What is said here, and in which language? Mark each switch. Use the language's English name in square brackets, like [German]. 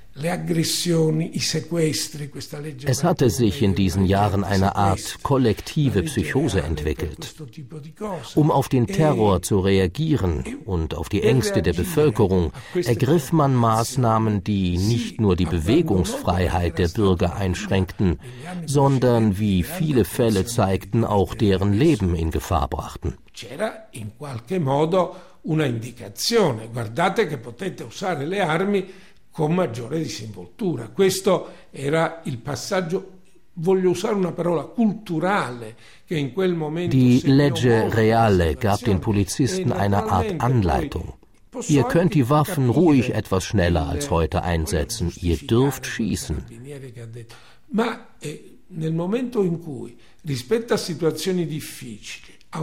[Italian] Le aggressioni, i sequestri, questa legge. [German] Es hatte sich in diesen Jahren eine Art kollektive Psychose entwickelt. Um auf den Terror zu reagieren und auf die Ängste der Bevölkerung, ergriff man Maßnahmen, die nicht nur die Bewegungsfreiheit der Bürger einschränkten, sondern, wie viele Fälle zeigten, auch deren Leben in Gefahr brachten. [Italian] C'era in qualche modo una indicazione. Guardate che potete usare le armi. Con maggiore disinvoltura. Questo era il passaggio, voglio usare una parola, culturale, che in quel momento. [German] Die Legge Reale gab den Polizisten eine Art Anleitung. Ihr könnt die Waffen ruhig etwas schneller als heute einsetzen. Ihr dürft schießen. [Italian] Ma nel momento in cui, rispetto a situazioni difficili,